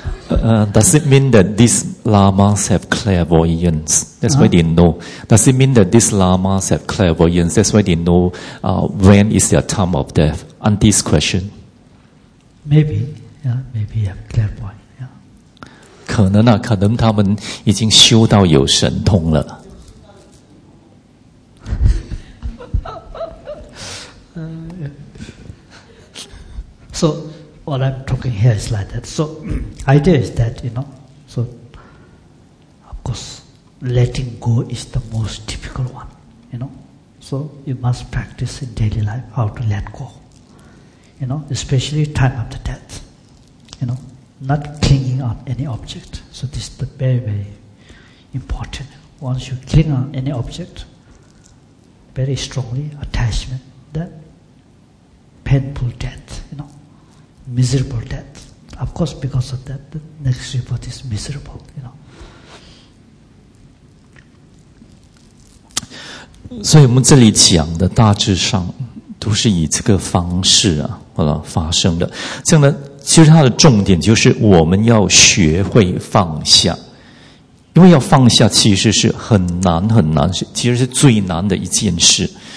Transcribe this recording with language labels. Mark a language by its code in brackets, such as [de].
[en] Does it mean that these lamas have clairvoyance? That's why they know. Does it mean that these lamas have clairvoyance? That's why they know when is their time of death? Auntie's question. Maybe, yeah, maybe a clairvoyant. [zh] 可能啊，可能他们已经修到有神通了。 [en] So what I'm talking here is like that. So idea is that, you know, so of course letting go is the most difficult one, you know. So you must practice in daily life how to let go, you know, especially time after death, you know. Not clinging on any object. So this is the very, very important. Once you cling on any object, very strongly attachment, that painful death, you know, miserable death. Of course, because of that, the next rebirth is miserable, you know. [zh] 所以我们这里讲的大致上都是以这个方式啊，好了，发生的。这样的其实它的重点就是我们要学会放下，因为要放下其实是很难很难，其实是最难的一件事。